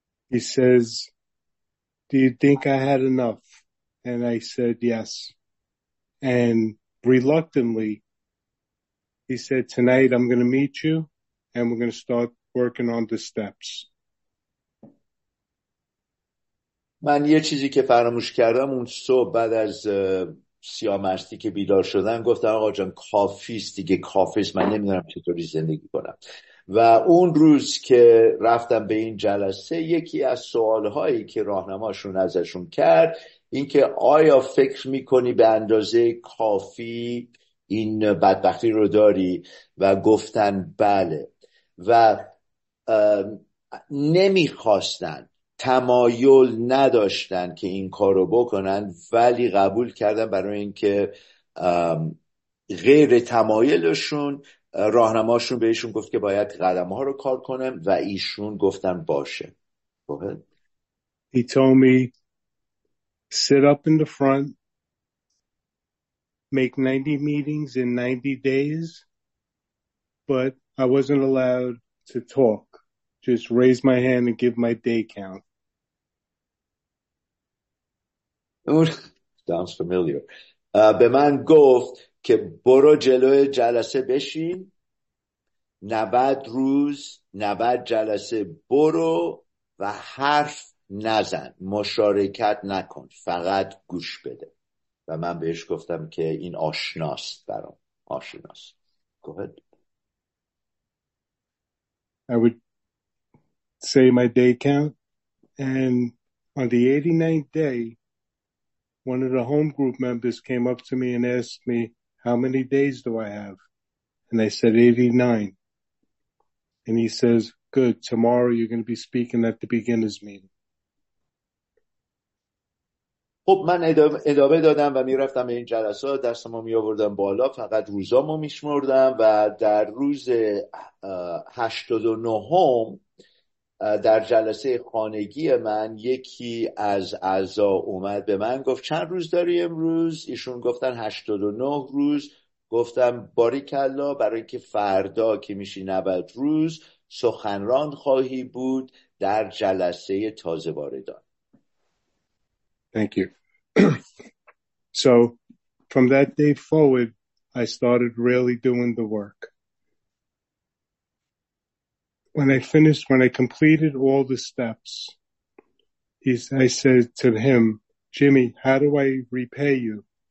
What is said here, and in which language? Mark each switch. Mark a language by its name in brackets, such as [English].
[English] He says, do you think I had enough? And I said, yes. And reluctantly, he said, tonight I'm going to meet you and we're going to start working on the steps. [Persian] من یه چیزی که فراموش کردم اون صبح بعد از سیامستی که بیدار شدن گفتم آقا جان کافیست دیگه، کافیست، من نمیدونم چطوری زندگی کنم. و اون روز که رفتم به این جلسه یکی از سوالهایی که راهنماشون ازشون کرد این که آیا فکر میکنی به اندازه کافی این بدبختی رو داری و گفتن بله و نمیخواستن، تمایل نداشتن که این کار رو بکنن ولی قبول کردن برای اینکه غیر تمایلشون راهنماشون بهشون گفت که باید قدم‌ها رو کار کنم و ایشون گفتن باشه. [English] He told me sit up in the front make 90 meetings in 90 days, but I wasn't allowed to talk, just raise my hand and give my day count. Sounds familiar. [Persian] به من گفت که برو جلوی جلسه بشین 90 روز 90 جلسه برو و حرف نزن، مشارکت نکن، فقط گوش بده. و من بهش گفتم که این آشناست برام، آشناست. [English] Go ahead. I would say my day count, and on the 89th day, one of the home group members came up to me and asked me, how many days do I have? And I said, 89. And he says, good, tomorrow you're going to be speaking at the beginner's meeting. [Persian] خب من ادامه دادم و میرفتم به این جلسات، دستمو می آوردم بالا، فقط روزامو می شمردم و در روز 89 در جلسه خانگی من یکی از اعضا اومد به من گفت چند روز داری امروز؟ ایشون گفتن 89 روز. گفتم باریکلا، برای که فردا که میشی 90 روز سخنران خواهی بود در جلسه تازه واردان. [English] Thank you. So from that day forward, I started really doing the work. When I completed all the steps, I said to him, Jimmy, how do I repay you?